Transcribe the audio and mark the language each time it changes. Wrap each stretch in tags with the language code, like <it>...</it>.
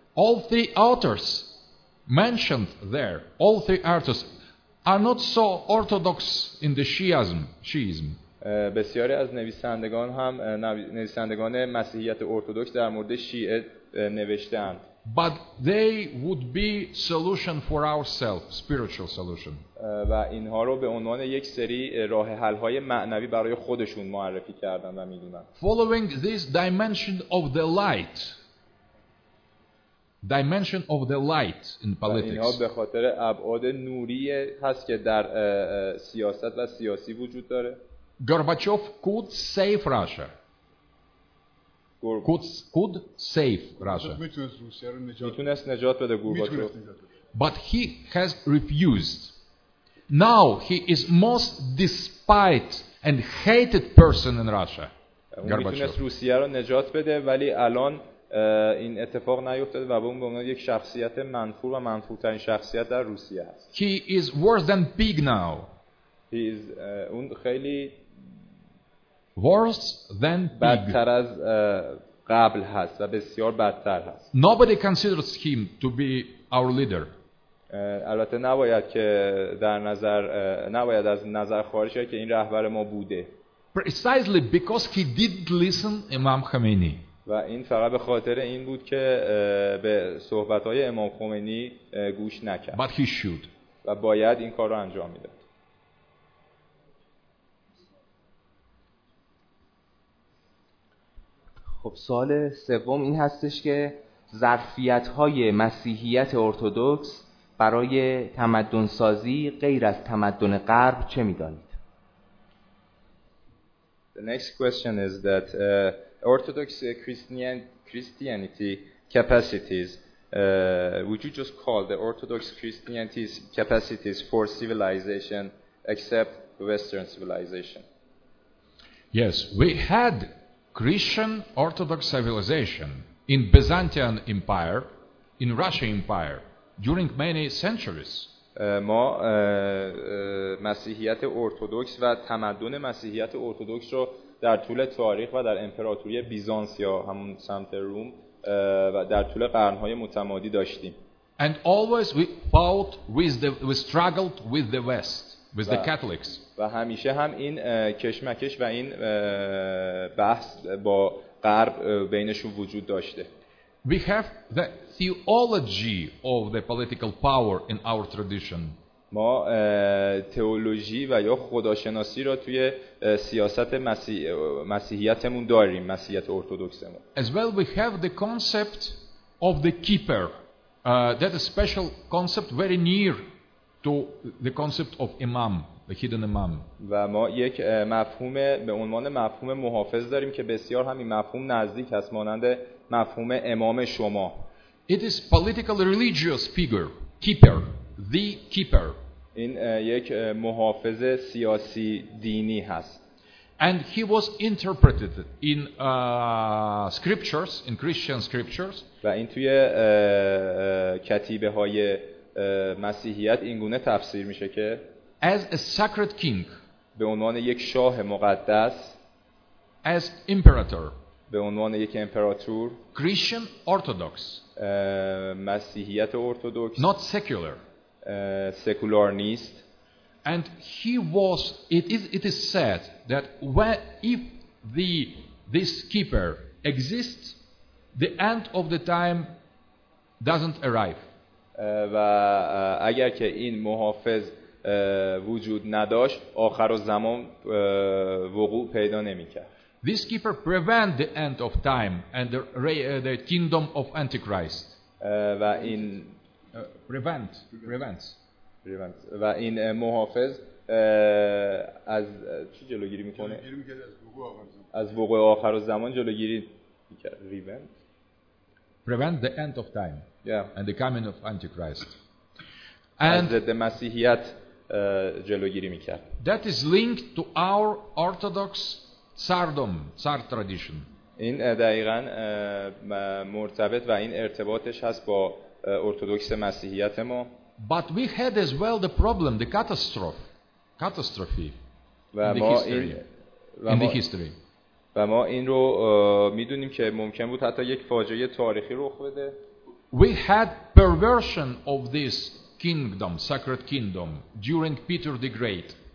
<en>All three authors mentioned there, all three authors are not so orthodox in the Shiism.</en> <fa>بسیاری از نویسندگان هم نویسندگان مسیحیت ارتدوکس در مورد شیعه نوشتند.</fa> <en>But they would be solution for ourselves, spiritual solution.</en> <fa>و اینها رو به عنوان یک سری راه حل های معنوی برای خودشون معرفی کردند و میدونن.</fa> <en>Following this dimension of the light. Dimension of the light in politics.</en> <fa>اینها به خاطر ابعاد نوری هست که در سیاست و سیاسی وجود داره.</fa> <en>Gorbachev could save Russia. Could save Russia.</en> <fa>میتونست نجات بده گورباچوف.</fa> <en>But he has refused. Now he is most despised and hated person in Russia.</en> <fa>میتونست روسیه رو نجات بده ولی الان این اتفاق نیفتاد و اون به عنوان یک شخصیت منفور و منفورترین شخصیت در روسیه است.</fa> <en>He is worse than pig now. He is</en> <fa>اون خیلی</fa> <en>worse than pig.</en> <fa>بدتر از قبل هست و بسیار بدتر هست.</fa> <en>Nobody considers him to be our leader.</en> <fa>البته نباید که در نظر نباید از نظر خارج شه که این رهبر ما بوده.</fa> <en>Precisely because he didn't listen Imam Khomeini.</en> <fa>و این فقط به خاطر این بود که به صحبت‌های امام خمینی گوش نکرد.</fa> <en>But he should.</en> <fa>و باید این کار را انجام میداد. خب سوال سوم این هستش که ظرفیت‌های مسیحیت ارتدوکس برای تمدن سازی غیر از تمدن غرب چه میدانید؟</fa> <en>The next question is that Orthodox Christianity capacities, would you just call the Orthodox Christianity's capacities for civilization except Western civilization? Yes, we had Christian Orthodox civilization in Byzantine Empire, in Russian Empire, during many centuries.</en> <fa>ما مسیحیت ارتدوکس و تمدن مسیحیت ارتدوکس رو در طول تاریخ و در امپراتوری بیزانس یا همون سمت روم و در طول قرن‌های متمادی داشتیم.</fa> <en>And always we fought with the we struggled with the West, with the Catholics.</en> <fa>و همیشه هم این کشمکش و این بحث با غرب بینشون وجود داشته.</fa> <en>We have the theology of the political power in our tradition.</en> <fa>ما تئولوژی و یا خداشناسی را توی سیاست مسیحیتمون داریم، مسیحیت ارتدوکسمون.</fa> <en>As well we have the concept of the keeper. That is a special concept very near to the concept of imam, the hidden imam.</en> <fa>و ما یک مفهوم به عنوان مفهوم محافظ داریم که بسیار همین مفهوم نزدیک است، مانند مفهوم امام شما.</fa> <en>It is political religious figure, keeper. The keeper.</en> <fa>این یک محافظ سیاسی دینی هست.</fa> <en>And he was interpreted in scriptures, in Christian scriptures.</en> <fa>و این توی کتیبه‌های مسیحیت اینگونه تفسیر میشه که</fa> <en>as a sacred king.</en> <fa>به عنوان یک شاه مقدس.</fa> <en>As emperor.</en> <fa>به عنوان یک امپراتور.</fa> <en>Christian Orthodox.</en> <fa>مسیحیت ارتدوکس.</fa> <en>Not secular.</en> <fa>Secular نیست.</fa> <en>And he was. It is said that if this keeper exists, the end of the time doesn't arrive.</en> <fa>و اگر که این محافظ وجود نداشت، آخر زمان وقوع پیدا نمی‌کرد.</fa> <en>This keeper prevent the end of time and the kingdom of Antichrist.</en> <fa>و این</fa> <en>prevents</en> <fa>و این محافظ از چی جلوگیری میکنه؟ از وقوع آخر زمان جلوگیری میکنه.</fa> <en>Prevent the end of time yeah. and the coming of Antichrist. And the</en> <fa>مسیحیت جلوگیری میکرد.</fa> <en>That is linked to our Orthodox tsardom, tsar tradition.</en> <fa>این دقیقاً مرتبط و این ارتباطش هست با ارتدوکس مسیحیت ما.</fa> <en>But we had as well the problem, the catastrophe in the history.</en> <fa>و ما این رو میدونیم که ممکن بود حتی یک فاجعه تاریخی رخ بده.</fa> <en>We had perversion of this kingdom, sacred kingdom, during Peter the Great.</en>